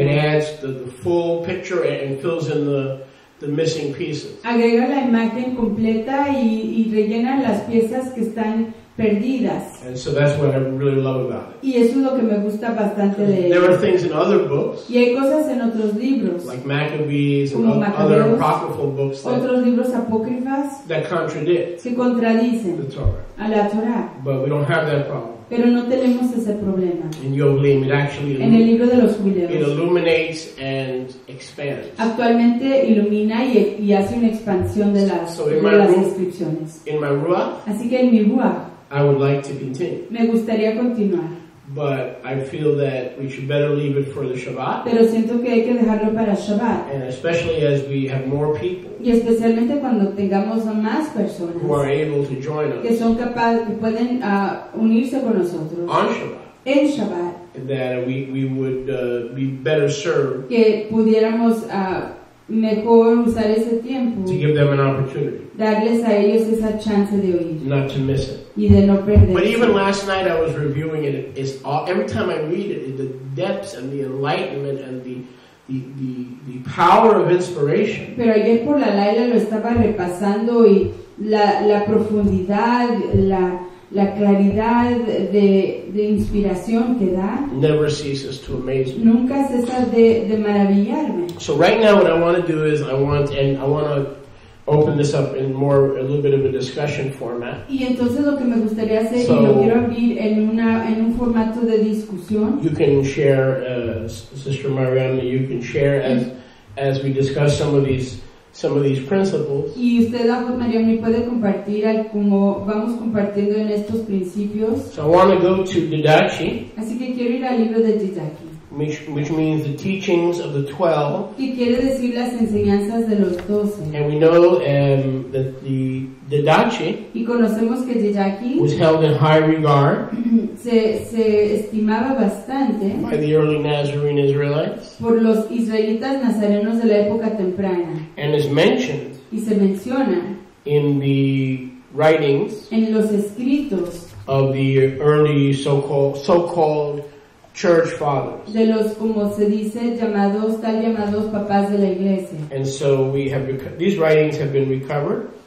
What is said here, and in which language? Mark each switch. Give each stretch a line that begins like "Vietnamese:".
English: It adds the full picture and fills in the missing pieces.
Spanish: Agrega la imagen completa y rellena las piezas que están perdidas.
English: And so that's what I really love about it.
Spanish: Y eso es lo que me gusta bastante de él.
English: There are things in other books.
Spanish: Y hay cosas en otros libros.
English: Like Maccabees and other apocryphal books.
Spanish: Otros libros apócrifas.
English: That contradict.
Spanish: Se contradicen.
English: The Torah.
Spanish: A la Torah.
English: But we don't have that problem.
Spanish: Pero no tenemos ese problema.
English: In Yoblim, it actually
Spanish: en el libro de los jubileos.
English: It illuminates and expands.
Spanish: Actualmente ilumina y hace una expansión de las inscripciones.
English: In my ruach.
Spanish: Así que en mi ruach.
English: I would like to continue.
Spanish: Me gustaría continuar.
English: But I feel that we should better leave it for the Shabbat.
Spanish: Pero siento que hay que dejarlo para Shabbat.
English: And especially as we have more people.
Spanish: Y especialmente cuando tengamos más personas.
English: Who are able to join us.
Spanish: Que son capaces, que pueden unirse con nosotros.
English: On Shabbat.
Spanish: En Shabbat.
English: That we would be better served.
Spanish: Que pudiéramos mejor usar ese tiempo.
English: To give them an opportunity.
Spanish: Darles a ellos esa chance de oír.
English: Not to miss it.
Spanish: Y de no perderse.
English: But even last night I was reviewing it. It's all, every time I read it, the depths and the enlightenment and the power of inspiration.
Spanish: Pero ayer por la Laila lo estaba repasando y la profundidad, la claridad de inspiración que da.
English: Never ceases to amaze me.
Spanish: Nunca cesa de maravillarme.
English: So right now what I want to do is I want to open this up in more a little bit of a discussion format.
Spanish: Y entonces lo que me gustaría hacer y lo quiero abrir en un formato de discusión.
English: You can share, Sister Mariana, you can share as we discuss some of these principles.
Spanish: Y usted, Sister Mariana, puede compartir como vamos compartiendo en estos principios.
English: So I want to go to Didache.
Spanish: Así que quiero ir al libro de Didache.
English: Which means the teachings of the 12.
Spanish: Y quiere decir las enseñanzas de los 12.
English: And we know that the Didache,
Spanish: y conocemos que Didache
English: was held in high regard
Spanish: se estimaba bastante
English: by the early Nazarene Israelites,
Spanish: por los israelitas nazarenos de la época temprana,
English: and is mentioned
Spanish: y se menciona
English: in the writings
Spanish: en los escritos
English: of the early so-called church fathers.
Spanish: De los, como se dice, llamados, tal llamados papás de la iglesia.
English: And so we have these writings have been recovered.